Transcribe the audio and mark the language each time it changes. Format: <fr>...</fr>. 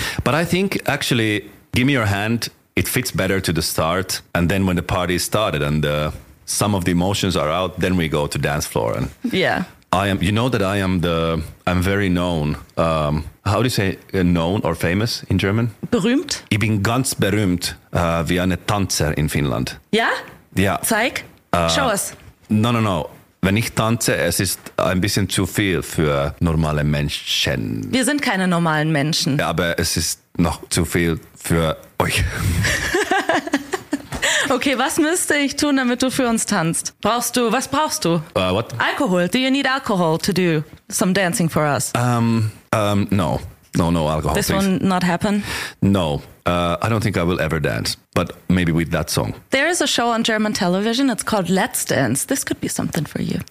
<en>But I think actually Give Me Your Hand, it fits better to the start, and then when the party started and some of the emotions are out, then we go to dance floor. And yeah. I'm very known. How do you say known or famous in German?</en> <de>Berühmt. Ich bin ganz berühmt wie eine Tanzer in Finnland. Ja? Ja. Zeig.</de> <en>Show us. No.</en> <de>Wenn ich tanze, es ist ein bisschen zu viel für normale Menschen. Wir sind keine normalen Menschen. Ja, aber es ist noch zu viel für euch. Okay, was müsste ich tun, damit du für uns tanzt? Was brauchst du?</de> <en>What? Alcohol. Do you need alcohol to do some dancing for us? No. No alcohol. This will not happen? No. I don't think I will ever dance, but maybe with that song. There is a show on German television. It's called Let's Dance. This could be something for you.</en>